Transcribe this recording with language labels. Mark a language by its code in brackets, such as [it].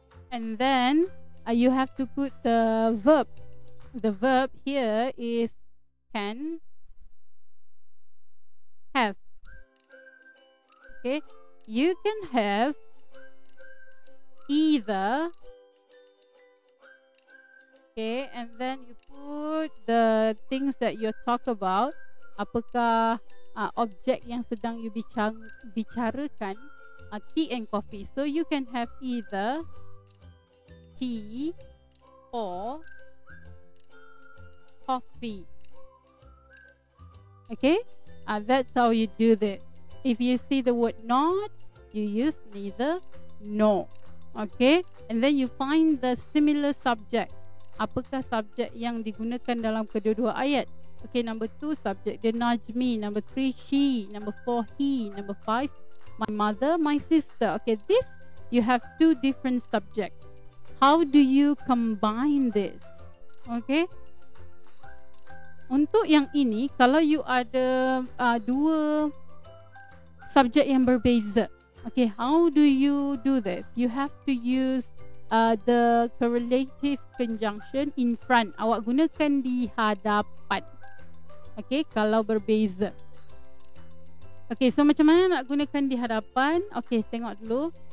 [en] And then you have to put the verb. The verb here is can, have. Okay. You can have either. Okay, and then you put the things that you talk about. [ms] Apakah objek yang sedang you bicarakan? [en] Tea and coffee. So you can have either tea or coffee. Okay, that's how you do this. If you see the word not, you use neither nor. Okay, and then you find the similar subject. [ms] Apakah subjek yang digunakan dalam kedua-dua ayat? [en] Okay, number two, [ms] subjek dia [en] Najmi. Number three, she. Number four, he. Number five, my mother, my sister. Okay, this, you have two different subjects. How do you combine this? Okay. [ms] Untuk yang ini, kalau you ada dua subjek yang berbeza. [en] Okay, how do you do this? You have to use the correlative conjunction in front. [ms] Awak gunakan di hadapan. Okay, kalau berbeza. Okay, so macam mana nak gunakan di hadapan? Okay, tengok dulu.